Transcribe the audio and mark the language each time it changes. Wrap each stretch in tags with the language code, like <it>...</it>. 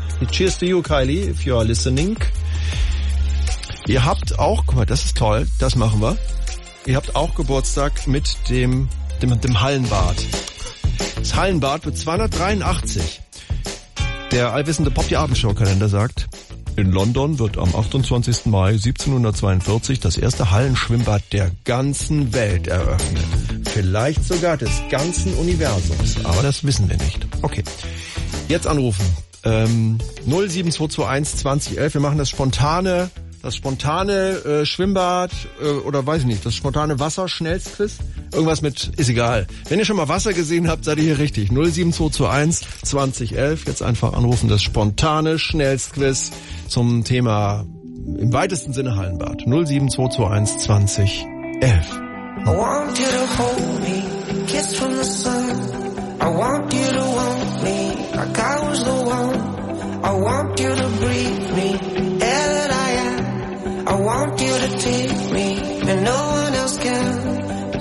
<en>Cheers to you, Kylie, if you are listening.</en> <de>Ihr habt auch, guck mal, das ist toll, das machen wir. Ihr habt auch Geburtstag mit dem Hallenbad. Das Hallenbad wird 283. Der allwissende Pop die Abendshow-Kalender sagt, in London wird am 28. Mai 1742 das erste Hallenschwimmbad der ganzen Welt eröffnet. Vielleicht sogar des ganzen Universums. Aber das wissen wir nicht. Okay, jetzt anrufen. 07221 2011. Wir machen das spontane Schwimmbad oder weiß ich nicht, das spontane Wasserschnellsquiz. Irgendwas mit, ist egal. Wenn ihr schon mal Wasser gesehen habt, seid ihr hier richtig. 07221 2011. Jetzt einfach anrufen, das spontane Schnellsquiz zum Thema im weitesten Sinne Hallenbad. 07221 2011.</de> <en>I want you to hold me, kiss from the sun. I want you to want me, like I was the one. I want you to breathe me, air that I am. want you to take me, and no one else can.</en>